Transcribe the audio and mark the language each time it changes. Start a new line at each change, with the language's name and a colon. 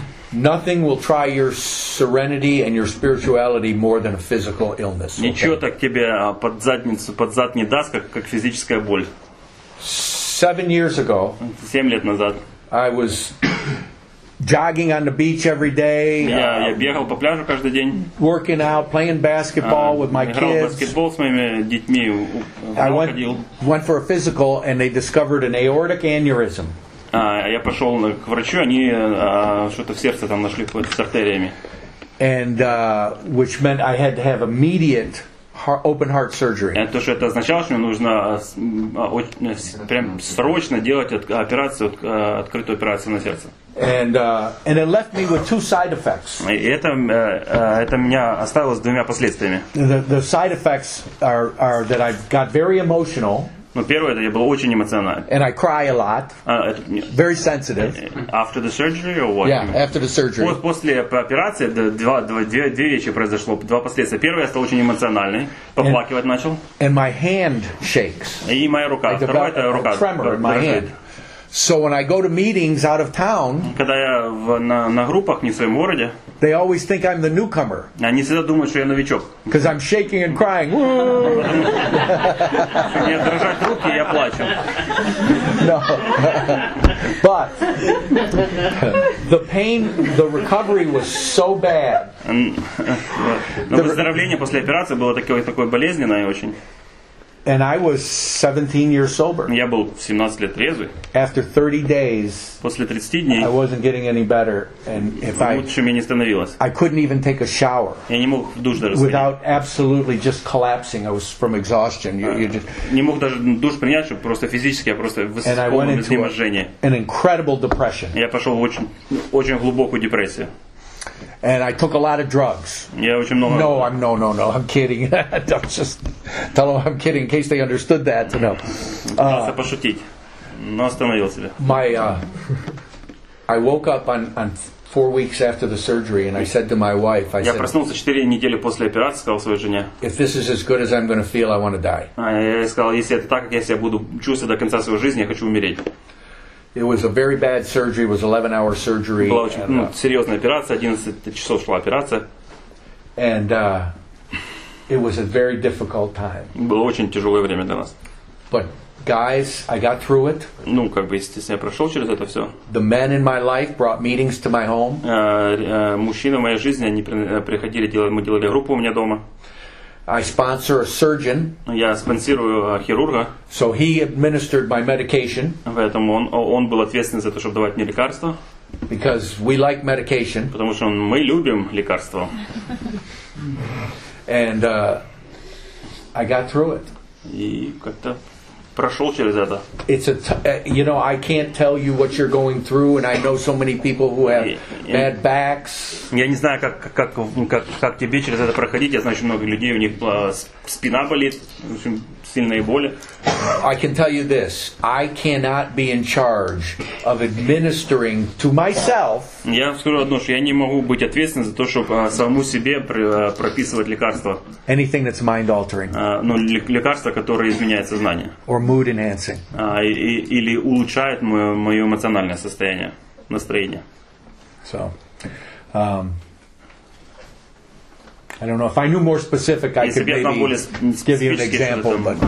English: Nothing will try your serenity and your spirituality more than a physical illness.
Russian: Ничего так тебе под задницу, под зад не даст, как физическая боль.
English: 7 years ago.
Russian: 7 лет назад.
English: I was jogging on the beach every day.
Russian: Я бегал по пляжу каждый день.
English: Working out, playing basketball with my
Russian: играл
English: kids.
Russian: Играл баскетбол с моими детьми.
English: I went for a physical, and they discovered an aortic aneurysm.
Russian: Я пошел к врачу, они что-то в сердце там нашли с артериями.
English: And which meant I had to have immediate open heart surgery.
Russian: То, что это означало, что мне нужно прям срочно делать операцию, открытую операцию на сердце.
English: And it left me with two side effects.
Russian: Это меня оставило с двумя последствиями.
English: The side effects are that I got very emotional.
Russian: Ну, первое, это я был очень эмоционален.
English: Very sensitive. After the surgery or what? Yeah, after the surgery.
Russian: После операции две вещи произошло, два последствия. Первое, я стал очень эмоциональный, поплакивать начал.
English: And my hand shakes.
Russian: И моя рука. Второе, это рука.
English: Tremor in my hand. So when I go to meetings out of town,
Russian: когда я на группах не в своем городе,
English: they always think I'm the newcomer.
Russian: Они всегда думают, что я новичок.
English: Because I'm shaking and crying.
Russian: Мне дрожат руки, я плачу.
English: No. But the pain, the recovery was so bad.
Russian: Выздоровление после операции было такое болезненное очень.
English: And I was 17 years sober.
Russian: Я был 17 лет трезвый.
English: After 30 days.
Russian: После 30 дней.
English: I wasn't getting any better, and if
Russian: лучше мне не становилось.
English: I couldn't even take a shower.
Russian: Я не мог в душ даже сходить.
English: Without absolutely just collapsing, I was from exhaustion.
Russian: Не мог даже душ принять, чтобы просто физически я просто в полном изнеможении.
English: An incredible depression.
Russian: Я пошел в очень очень глубокую депрессию.
English: And I took a lot of drugs.
Russian: Yeah, очень много.
English: No, I'm kidding. Don't just tell them I'm kidding in case they understood that. To know.
Russian: Пытался пошутить, но остановил себя.
English: I woke up on 4 weeks after the surgery, and I said to my wife,
Russian: Я проснулся 4 недели после операции, сказал своей жене.
English: If this is as good as I'm going to feel, I want to die.
Russian: Я сказал, если это так, как я себя буду чувствовать до конца своей жизни, я хочу умереть.
English: It was a very bad surgery. It was 11-hour surgery.
Russian: Была очень серьезная операция. 11 часов шла операция.
English: And it was a very difficult time.
Russian: Было очень тяжелое время для нас.
English: But guys, I got through it.
Russian: Ну, как бы, естественно, я прошел через это все.
English: The men in my life brought meetings to my home.
Russian: Мужчины в моей жизни, они приходили, мы делали группу у меня дома.
English: I sponsor a surgeon.
Russian: Я спонсирую хирурга.
English: So he administered my medication.
Russian: Поэтому он был ответственен за то, чтобы давать мне лекарства.
English: Because we like medication.
Russian: Потому что мы любим лекарства.
English: And I got through it.
Russian: И как-то прошел через это.
English: It's a you know, I can't tell you what you're going through, and I know so many people who have bad backs.
Russian: Я не знаю, как тебе через это проходить. Я знаю, что много людей, у них спина болит, в общем, сильные боли.
English: I can tell you this. I cannot be in charge of administering to myself.
Russian: Я скажу одно, что я не могу быть ответственным за то, чтобы самому себе прописывать лекарства.
English: Anything that's mind altering.
Russian: Лекарства, которые изменяют сознание.
English: Or mood enhancing.
Russian: Или улучшают мое эмоциональное состояние, настроение.
English: So. I don't know. If I knew more specific, I could maybe give you an example.